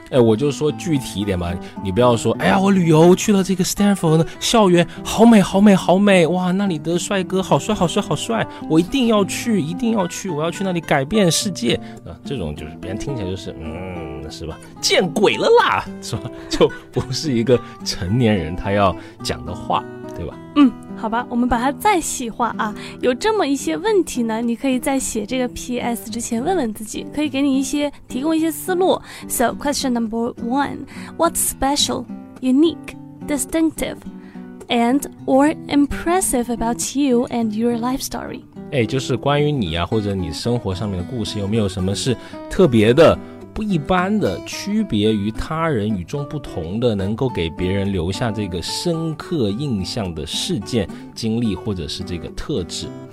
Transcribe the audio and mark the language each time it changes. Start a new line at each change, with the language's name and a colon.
Chinese: 哎，我就说具体一点吧，你不要说，哎呀，我旅游去了这个 Stanford 校园，好美好美好美，哇，那里的帅哥好帅好帅好帅，我一定要去一定要去，我要去那里改变世界啊，这种就是别人听起来就是是吧，见鬼了啦，是吧，就不是一个成年人他要讲的话，对吧？好吧，我们把它再细化啊。有这么一些问题呢，你可以在写这个 PS 之前问问自己，可以给你一些提供一些思路。
English: So question number one, what's special, unique, distinctive and or impressive about you and your life story?
Chinese: 哎，就是关于你啊，或者你生活上面的故事，有没有什么是特别的，不一般的，区别于他人，与众不同的，能够给别人留下这个深刻印象的事件、经历，或者是这个特质。